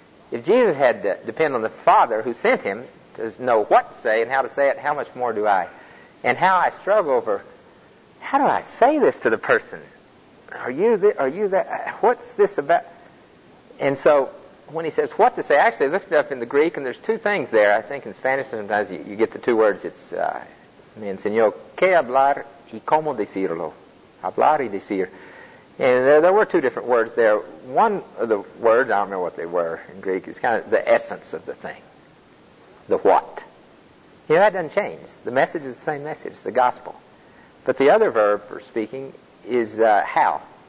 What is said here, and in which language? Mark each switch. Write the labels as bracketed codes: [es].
[en] If Jesus had to depend on the Father who sent him to know what to say and how to say it, how much more do I? And how I struggle over, how do I say this to the person? Are you that? What's this about? And so when he says what to say, actually I looked it up in the Greek, and there's two things there. I think in Spanish sometimes you get the two words. It's [es] me enseñó qué hablar y cómo decirlo. Hablar y decir. [en] And there were two different words there. One of the words, I don't remember what they were in Greek, is kind of the essence of the thing. The what. You know, that doesn't change. The message is the same message, the gospel. But the other verb for speaking is how.